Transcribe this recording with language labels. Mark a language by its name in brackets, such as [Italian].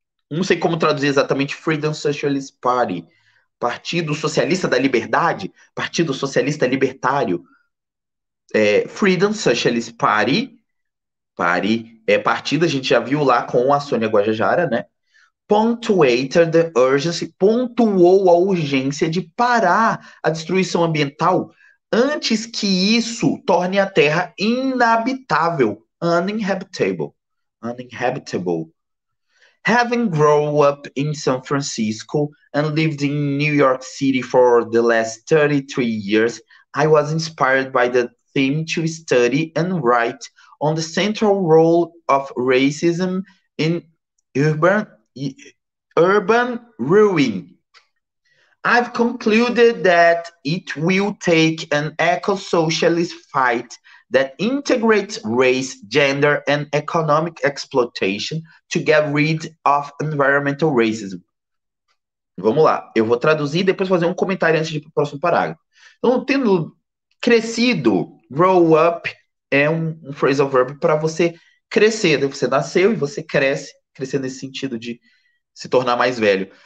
[Portuguese] Não sei como traduzir exatamente Freedom Socialist Party. Partido Socialista da Liberdade? Partido Socialista Libertário? É, Freedom Socialist Party. Party é partido, a gente já viu lá com a Sônia Guajajara, né? [English] Punctuated the urgency. [Portuguese] Pontuou a urgência de parar a destruição ambiental antes que isso torne a Terra inabitável. [English] Uninhabitable. Uninhabitable. Having grown up in San Francisco and lived in New York City for the last 33 years, I was inspired by the theme to study and write on the central role of racism in urban ruin. I've concluded that it will take an eco-socialist fight that integrates race, gender, and economic exploitation to get rid of environmental racism. [Portuguese] Vamos lá, eu vou traduzir e depois fazer um comentário antes de ir para o próximo parágrafo. Então, tendo crescido, grow up é um phrasal verb para você crescer, né? Você nasceu e você cresce, crescer nesse sentido de se tornar mais velho.